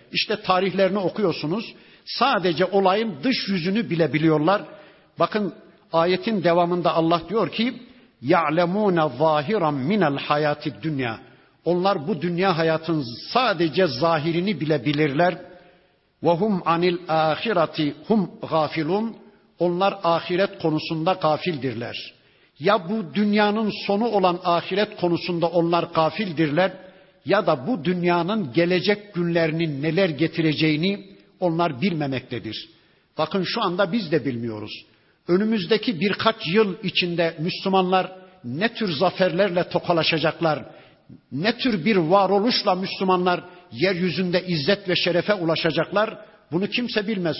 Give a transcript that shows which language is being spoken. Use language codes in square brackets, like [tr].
[tr] İşte tarihlerini okuyorsunuz. Sadece olayın dış yüzünü bilebiliyorlar. Bakın ayetin devamında Allah diyor ki [ar] ya'lemuna zahiran minel hayati dünya. [tr] Onlar bu dünya hayatının sadece zahirini bilebilirler. [ar] وَهُمْ عَنِ الْآخِرَةِ هُمْ غَافِلُونَ [tr] Onlar ahiret konusunda gafildirler. Ya bu dünyanın sonu olan ahiret konusunda onlar gafildirler, ya da bu dünyanın gelecek günlerinin neler getireceğini onlar bilmemektedir. Bakın şu anda biz de bilmiyoruz. Önümüzdeki birkaç yıl içinde Müslümanlar ne tür zaferlerle tokalaşacaklar, ne tür bir varoluşla Müslümanlar yeryüzünde izzet ve şerefe ulaşacaklar, bunu kimse bilmez.